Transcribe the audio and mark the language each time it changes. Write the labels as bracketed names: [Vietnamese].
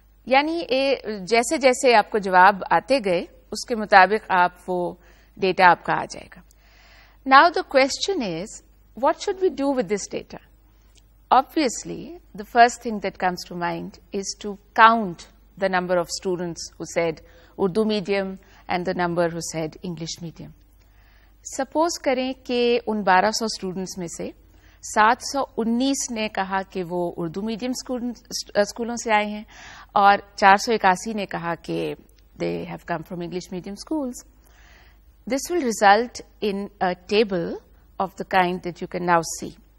[Urdu] یعنی جیسے جیسے آپ کو جواب آتے گئے اس کے مطابق آپ وہ ڈیٹا آپ کا آ جائے گا. [English] Now the question is, what should we do with this data? Obviously, the first thing that comes to mind is to count the number of students who said Urdu medium and the number who said English medium. [Urdu] Suppose کریں کہ ان 1200 students میں سے 719 نے کہا کہ وہ Urdu medium اسکولوں سے آئے ہیں اور 481 نے کہا کہ [English] They have come from English medium schools. This will result in table of the kind that you can now see.